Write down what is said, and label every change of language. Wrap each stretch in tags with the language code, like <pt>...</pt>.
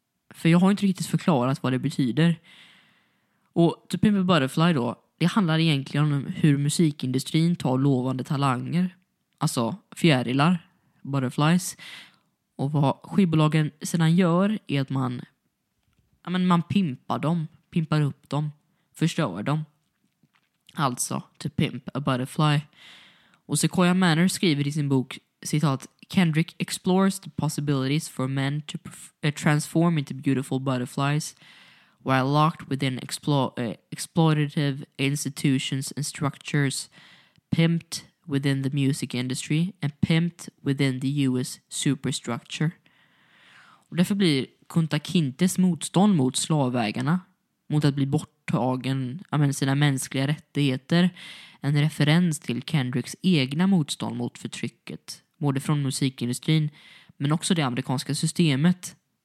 <sv>För jag har inte riktigt förklarat vad det betyder. Och To Pimp a Butterfly då, det handlar egentligen om hur musikindustrin tar lovande talanger. Alltså fjärilar, butterflies. Och vad skivbolagen sedan gör är att man pimpar dem, pimpar upp dem, förstör dem. Alltså, To Pimp a Butterfly. Och Sequoia Manor skriver i sin bok, citat,</sv> <en>Kendrick explores the possibilities for men to transform into beautiful butterflies while locked within exploitative institutions and structures pimped within the music industry and pimped within the US superstructure.</en> <sv>Och därför blir Kunta Kintes motstånd mot slavägarna, mot att bli borttagen sina mänskliga rättigheter, en referens till Kendricks egna motstånd mot förtrycket, både från musikindustrin men också det amerikanska systemet.</sv>